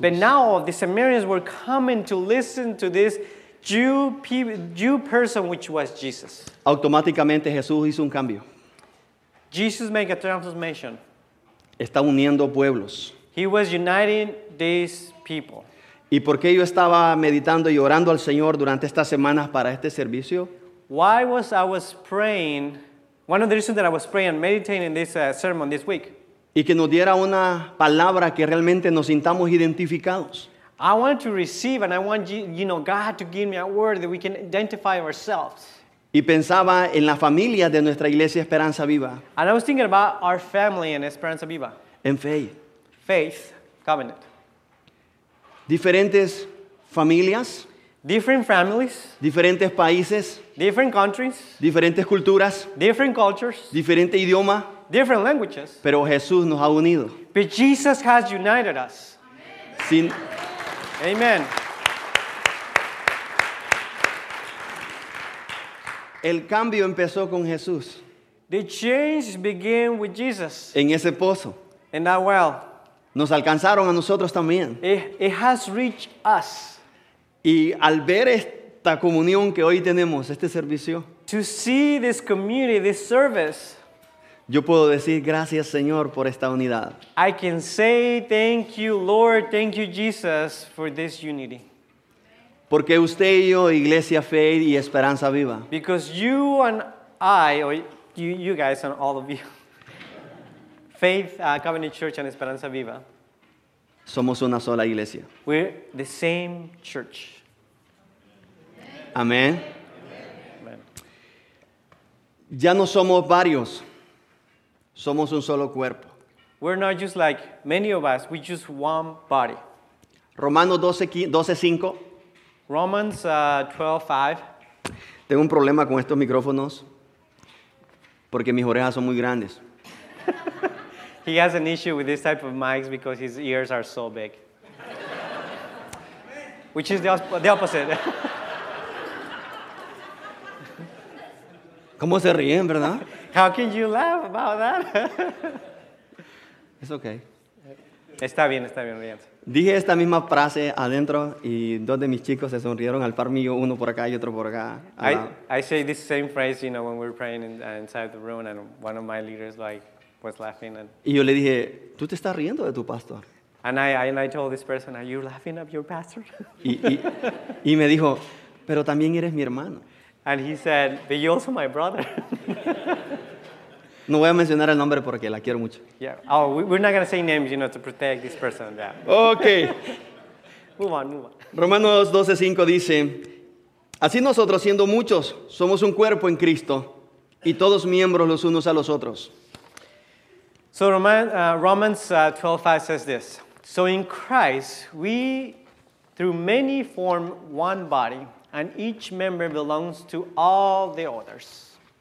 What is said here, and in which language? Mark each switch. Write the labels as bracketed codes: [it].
[en] But now the Samaritans were coming to listen to this Jew person, which was Jesus. [es] Automáticamente Jesús hizo un cambio. [en] Jesus made a transformation. [es] Está uniendo pueblos. [en] He was uniting these people. [es] ¿Y por qué yo estaba meditando y orando al Señor durante estas semanas para este servicio? [en] Why was I was praying, one of the reasons that I was praying and meditating this sermon this week. [es] Y que nos diera una palabra que realmente nos sintamos identificados. [en] I wanted to receive and I want God to give me a word that we can identify ourselves. [es] Y pensaba en la familia de nuestra iglesia Esperanza Viva. [en] And I was thinking about our family in Esperanza Viva. [es] En fe. [en] Faith, covenant. [es] Diferentes familias. [en] Different families. [es] Diferentes países. [en] Different countries. [es] Diferentes culturas. [en] Different cultures. [es] Diferente idioma. [en] Different languages. [es] Pero Jesús nos ha unido. [en] But Jesus has united us. [es] Sin... [en] Amen. [es] El cambio empezó con Jesús. [en] The change began with Jesus. [es] En ese pozo. [en] In that well. [es] Nos alcanzaron a nosotros también. [en] It has reached us. [es] Y al ver esta comunión que hoy tenemos, este servicio. [en] To see this community, this service. [es] Yo puedo decir gracias, Señor, por esta unidad. [en] I can say thank you, Lord, thank you, Jesus, for this unity. [es] Porque usted y yo, Iglesia Fe y Esperanza Viva. [en] Because you and I, or you guys and all of you. Faith, Covenant Church and Esperanza Viva. [es] Somos una sola iglesia. [en] We're the same church. [es] Amén. Ya no somos varios. Somos un solo cuerpo. [en] We're not just like many of us. We're just one body. [es] Romanos 12:5. [en] Romans 12:5. [es] Tengo un problema con estos micrófonos porque mis orejas son muy grandes. [en] He has an issue with this type of mics because his ears are so big. Which is the opposite. [es] ¿Cómo se ríen, verdad? [en] How can you laugh about that? It's okay. [es] Está bien, ríense. Dije esta misma frase adentro y dos de mis chicos se sonrieron al par mío, uno por acá y otro por acá. [en] I say this same phrase, you know, when we're praying inside the room and one of my leaders like, was laughing and [es] y yo le dije, ¿tú te estás riendo de tu pastor? [en] And I told this person, are you laughing at your pastor? [es] y me dijo, pero también eres mi hermano. [en] And he said, but you're also my brother. [es] No voy a mencionar el nombre porque la quiero mucho. [en] Yeah. Oh, we're not going to say names, you know, to protect this person. Yeah. Okay. Move on. [es] Romanos 12:5 dice, así nosotros siendo muchos, somos un cuerpo en Cristo y todos miembros los unos a los otros. [en] So Romans 12:5 says this. So in Christ, we, through many, form one body, and each member belongs to all the others.